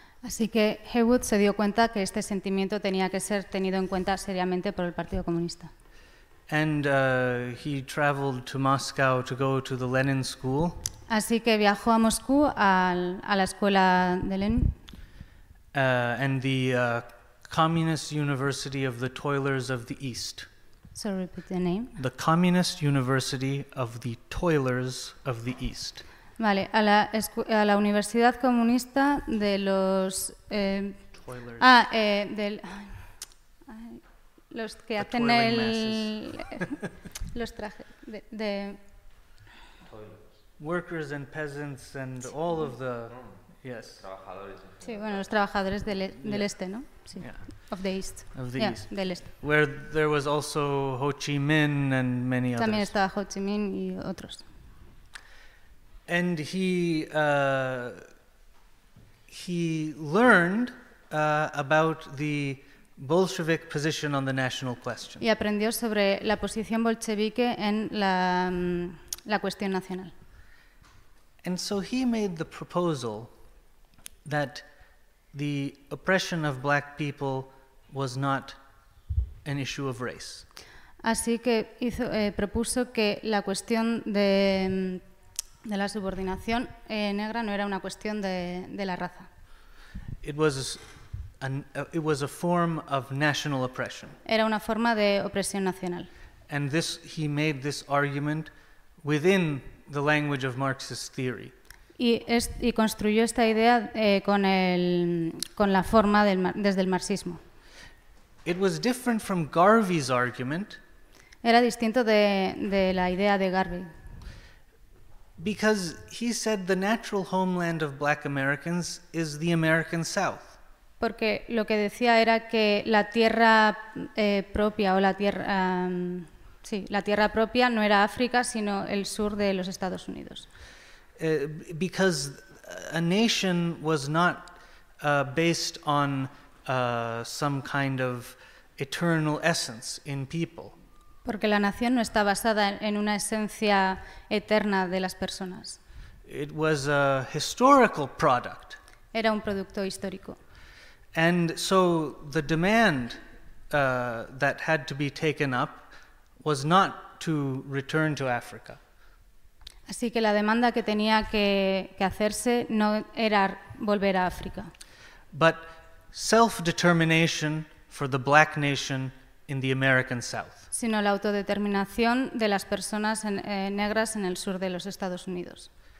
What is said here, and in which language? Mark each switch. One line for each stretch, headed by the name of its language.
Spanish: Así que Haywood se dio cuenta que este sentimiento tenía que ser tenido en cuenta seriamente por el Partido Comunista.
English: And he traveled to Moscow to go to the Lenin School.
Spanish: Así que viajó a Moscú a la escuela de Lenin.
English: And the Communist University of the Toilers of the East. So repeat the name. The Communist University of the Toilers of the East.
Spanish: Vale, a la Universidad Comunista de los
English: Toilers.
Spanish: Los que the hacen el los trajes de
English: toilers. Workers and peasants and all of the yes.
Spanish: Trabajadores. Sí, bueno, los trabajadores del este, ¿no? Sí.
English: Yeah. Of the East. Of the East.
Spanish: Del este.
English: Where there was also Ho Chi Minh and many others.
Spanish: También estaba Ho Chi Minh y otros.
English: And he learned about the Bolshevik position on the national question.
Spanish: Y aprendió sobre la posición bolchevique en la cuestión nacional.
English: And so he made the proposal that the oppression of black people was not an issue of race.
Spanish: Así que propuso que la cuestión de la subordinación negra no era una cuestión de la raza.
English: It was a form of national oppression.
Spanish: Era una forma de opresión nacional.
English: And this he made this argument within the language of Marxist theory.
Spanish: Y construyó esta idea con la forma desde el marxismo.
English: It was different from Garvey's argument.
Spanish: Era distinto de la idea de Garvey.
English: Because he said the natural homeland of black Americans is the American South.
Spanish: Porque lo que decía era que la tierra propia o la tierra sí, la tierra propia no era África, sino el sur de los Estados Unidos.
English: Because a nation was not based on some kind of eternal essence in people.
Spanish: Porque la nación no está basada en una esencia eterna de las personas.
English: It was a historical product.
Spanish: Era un producto histórico.
English: And so the demand that had to be taken up was not to return to Africa.
Spanish: Así que la demanda que tenía que hacerse no era volver a África.
English: But self-determination for the black nation in the American South.
Spanish: Sino la autodeterminación de las personas negras en el sur de los Estados Unidos.